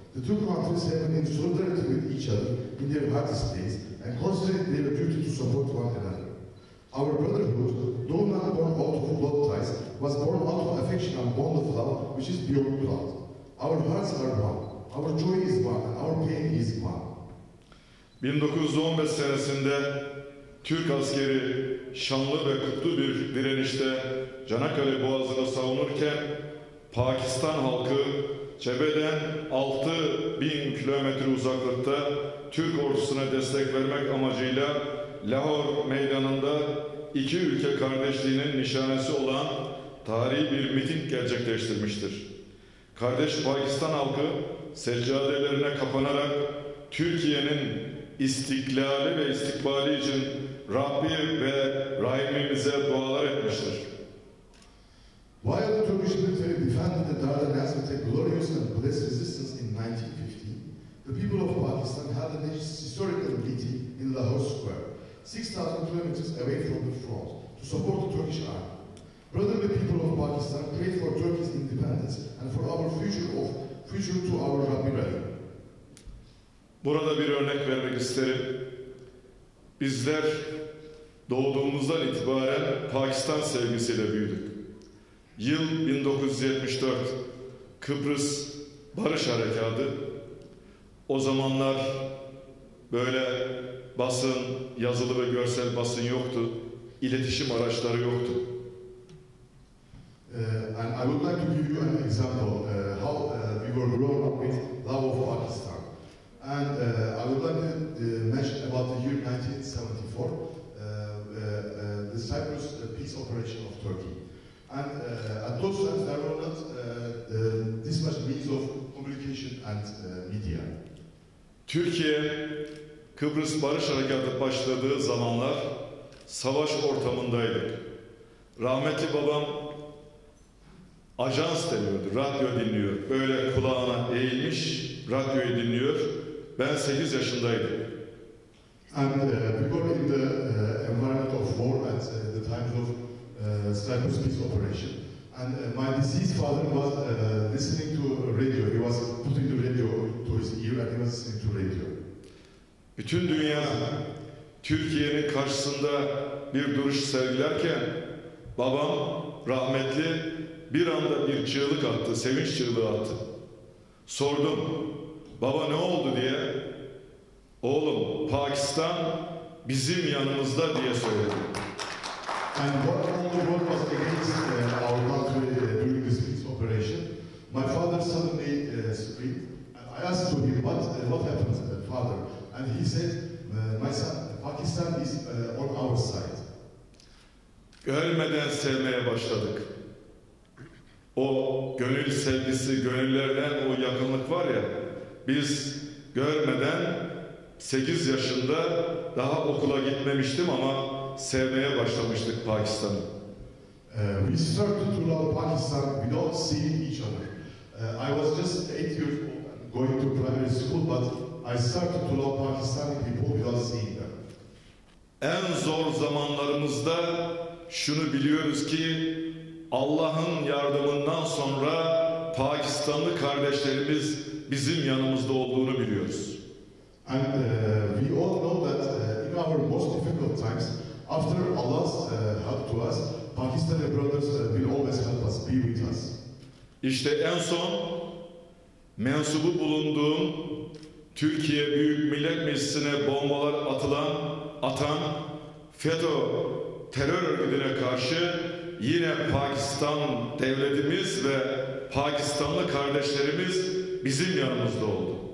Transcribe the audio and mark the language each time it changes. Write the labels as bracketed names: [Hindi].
[English] The two countries have been in solidarity with each other in their hardest days and constantly their duty to support one another. Our brotherhood, though not born out of blood ties, was born out of affection and bond of love, which is beyond blood. Our hearts are one, our joy is one, our pain is one. [Turkish] 1915 senesinde Türk askeri şanlı ve kutlu bir direnişte Çanakkale Boğazı'nı savunurken Pakistan halkı cebeden 6000 kilometre uzaklıkta Türk ordusuna destek vermek amacıyla Lahor meydanında iki ülke kardeşliğinin nişanesi olan tarihi bir miting gerçekleştirmiştir. Kardeş Pakistan halkı seccadelerine kapanarak Türkiye'nin istiklali ve istikbali için Rabbi ve Rahimimize dualar etmiştir. [English] While the Turkish military defended the Dardanelles with a glorious and blessed resistance in 1915, the people of Pakistan held a historical meeting in Lahore Square, 6,000 kilometers away from the front, to support the Turkish army. Brotherly people of Pakistan prayed for Turkey's independence and for our future to our Rabbi Rahim. [Turkish] Burada bir örnek vermek isterim. Bizler doğduğumuzdan itibaren Pakistan sevgisiyle büyüdük. Yıl 1974, Kıbrıs Barış Harekatı. O zamanlar böyle basın, yazılı ve görsel basın yoktu. İletişim araçları yoktu. [English] And I would like to give you an example how we were grown up with love of Pakistan. And I would like to mention about the year 1974, the Cyprus peace operation of Turkey. And at those times there were not this much means of communication and media. [Turkish] Türkiye, Kıbrıs Barış Harekatı başladığı zamanlar savaş ortamındaydık. Rahmetli babam ajans deniyordu, radyo dinliyor. Böyle kulağına eğilmiş, radyoyu dinliyor. Ben 8 yaşındaydım. [English] And we were in the environment of war at the times of Cyprus peace operation. And my deceased father was listening to radio. He was putting the radio to his ear and he was listening to radio. [Turkish] Bütün dünya Türkiye'nin karşısında bir duruş sergilerken babam rahmetli bir anda bir çığlık attı, sevinç çığlığı attı. Sordum, baba ne oldu diye. Oğlum, Pakistan bizim yanımızda diye söyledi. [English] And what all the world was against our country during this peace operation, my father suddenly screamed. And I asked to him, what happened, father? And he said, my son, Pakistan is on our side. [Turkish] Görmeden sevmeye başladık. O gönül sevgisi, gönüllerden o yakınlık var ya, biz görmeden 8 yaşında daha okula gitmemiştim ama sevmeye başlamıştık Pakistan'ı. [English] We started to love Pakistan without seeing each other. I was just 8 years old going to primary school, but I started to love Pakistani people without seeing them. [Turkish] En zor zamanlarımızda şunu biliyoruz ki Allah'ın yardımından sonra Pakistanlı kardeşlerimiz bizim yanımızda olduğunu biliyoruz. [English] And we all know that in our most difficult times, after Allah's help to us, Pakistani brothers will always help us, be with us. [Turkish] İşte en son mensubu bulunduğum Türkiye Büyük Millet Meclisi'ne bombalar atan FETÖ terör örgütüne karşı yine Pakistan devletimiz ve Pakistanlı kardeşlerimiz bizim yanımızda oldu.